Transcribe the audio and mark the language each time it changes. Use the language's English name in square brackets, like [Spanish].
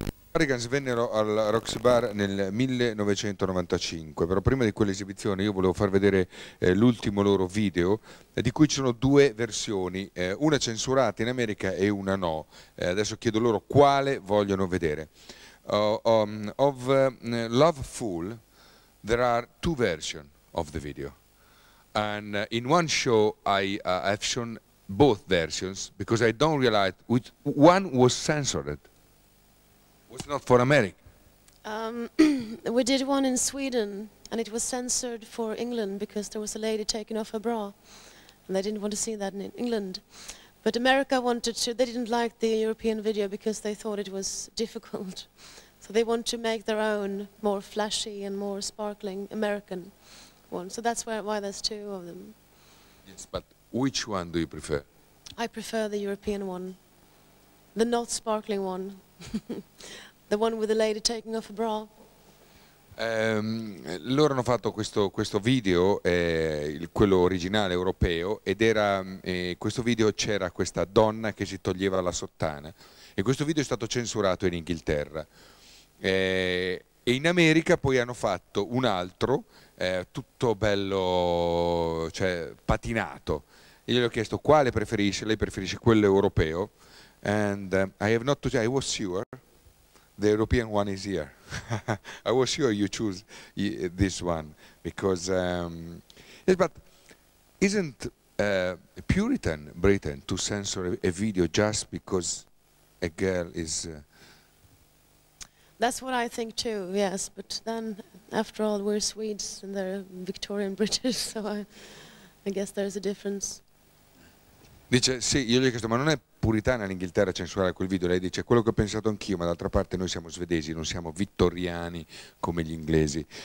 [Italian] Cardigans vennero al Rocks Bar nel 1995, però prima di quell'esibizione io volevo far vedere l'ultimo loro video, di cui ci sono due versioni, una censurata in America e una no. Adesso chiedo loro quale vogliono vedere. [English] Of Lovefool, there are two versions of the video. And in one show I have shown both versions, because I don't realize which one was censored. It's not for America. We did one in Sweden and it was censored for England because there was a lady taking off her bra and they didn't want to see that in England. But America wanted to, they didn't like the European video because they thought it was difficult. So they want to make their own more flashy and more sparkling American one. So that's why there's two of them. Yes, but which one do you prefer? I prefer the European one, the not sparkling one. The one with the lady taking off a bra. [Italian] Loro hanno fatto questo video, quello originale europeo, ed era questo video c'era questa donna che si toglieva la sottana. E questo video è stato censurato in Inghilterra. E in America poi hanno fatto un altro, tutto bello, cioè patinato. E gli ho chiesto quale preferisce, lei preferisce quello europeo. [English] And I was sure the European one is here. I was sure you choose this one because yes, but isn't Puritan Britain to censor a video just because a girl is? That's what I think too. Yes, but then after all, we're Swedes and they're Victorian British, so I guess there's a difference. [Italian] Dice sì, io gli ho chiesto, ma non è puritana l'Inghilterra censurare quel video? Lei dice, quello che ho pensato anch'io, ma d'altra parte noi siamo svedesi, non siamo vittoriani come gli inglesi.